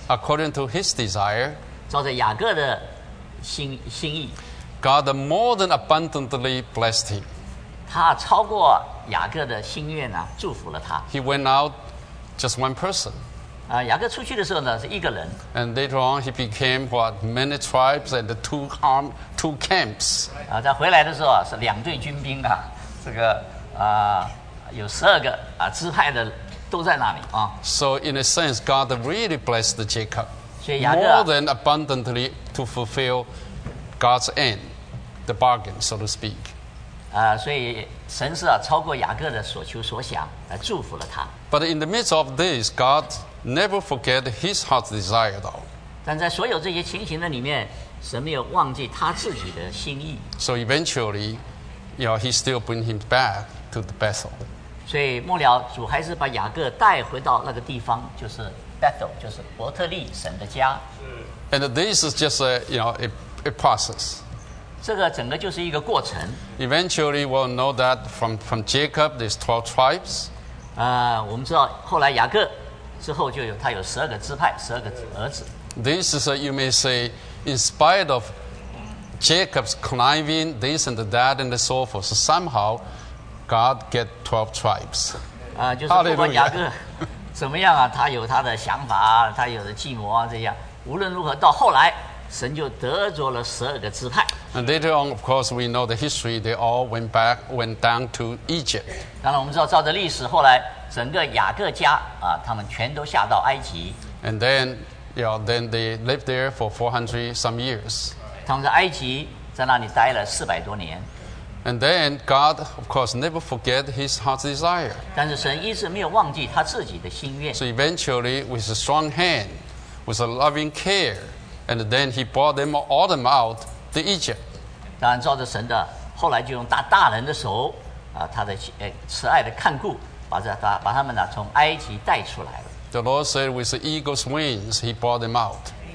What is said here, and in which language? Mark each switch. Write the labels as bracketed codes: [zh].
[en] according to his desire, [zh] 照着雅各的心意。 [en] God more than abundantly blessed him. [zh] 他超过雅各的心愿啊，祝福了他。 [en] He went out just one person. [zh] 啊，雅各出去的时候呢，是一个人。 [en] And later on, he became what many tribes and two camps. [zh] 啊，在回来的时候啊，是两队军兵啊，这个啊，有十二个啊支派的都在那里啊。 [en] So in a sense, God really blessed Jacob. [zh] 所以雅各、 [en] 啊、more than abundantly to fulfill. God's end, the bargain, so to speak. [zh] 所以神是啊超过雅各的所求所想，祝福了他。 [en] But in the midst of this, God never forget His heart's desire, though. [zh] 但在所有这些情形的里面，神没有忘记他自己的心意。 [en] So eventually, you know, He still bring him back to the Bethel. [zh] 所以末了，主还是把雅各带回到那个地方，就是 Bethel, 就是伯特利神的家。 [en] And this is just a, you know, a process. [zh] 这个整个就是一个过程。 [en] Eventually, we'll know that from Jacob, there's 12 tribes. [zh] 我们知道后来雅各之后就有他有十二个支派，十二个儿子。 [en] This is a, you may say, in spite of Jacob's conniving, this and that and so forth, so somehow God get 12 tribes. [zh] 就是不管雅各怎么样啊，他有他的想法，他有的计谋啊，这样无论如何到后来。神就得着了十二个支派。 [en] And later on, of course, we know the history. They all went down to Egypt. [zh] 当然，我们知道照着历史，后来整个雅各家啊，他们全都下到埃及。 [en] And then, you know, then they lived there for 400 some years. [zh] 他们在埃及在那里待了四百多年。 [en] And then God, of course, never forget His heart's desire. [zh] 但是神一直没有忘记他自己的心愿。 [en] So eventually, with a strong hand, with a loving care. And then he brought them all them out to Egypt. [zh] 当然，照着神的，后来就用大人的手，他的慈爱的看顾，把他们呢从埃及带出来了。 [en] The Lord said, "With the eagle's wings, he brought them out."